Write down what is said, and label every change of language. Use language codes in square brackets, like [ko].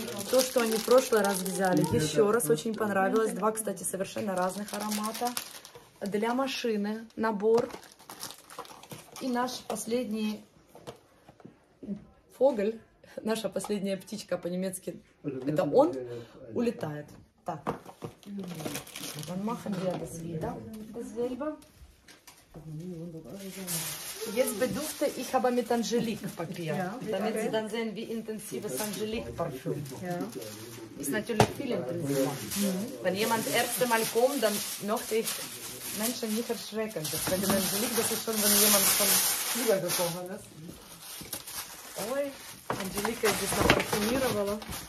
[ru] То, что они в прошлый раз взяли, еще раз очень понравилось. Два, кстати, совершенно разных аромата. Для машины набор. И наш последний Vogel. Наша последняя птичка по-немецки, это он, улетает. Так. [de] Dann machen wir das wieder. Dasselbe. Jetzt bedurfte ich aber mit Angelique-Papier. Damit Sie dann sehen, wie intensives Angelique-Parfüm. Ist natürlich viel intensiver. Wenn jemand erste Mal kommt, dann möchte ich Mensch nicht erschrecken. Das könnte man sehen, das ist schon, wenn jemand von hier gekommen ist. [ru] Ой, Анжелика здесь напарфюмировала.